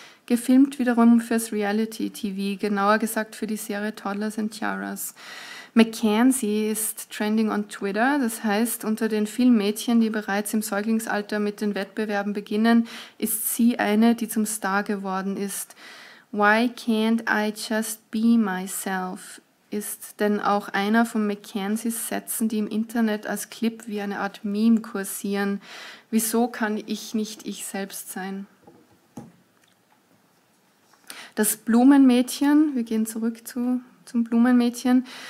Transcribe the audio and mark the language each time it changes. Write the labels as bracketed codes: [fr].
[de] Gefilmt wiederum fürs Reality-TV, genauer gesagt für die Serie Toddlers and Tiaras. Mackenzie ist [en] trending on Twitter, [de] das heißt, unter den vielen Mädchen, die bereits im Säuglingsalter mit den Wettbewerben beginnen, ist sie eine, die zum Star geworden ist. [en] Why can't I just be myself? [de] Ist denn auch einer von Mackenzies Sätzen, die im Internet als Clip wie eine Art Meme kursieren. Wieso kann ich nicht ich selbst sein? Das Blumenmädchen, wir gehen zurück zum Blumenmädchen.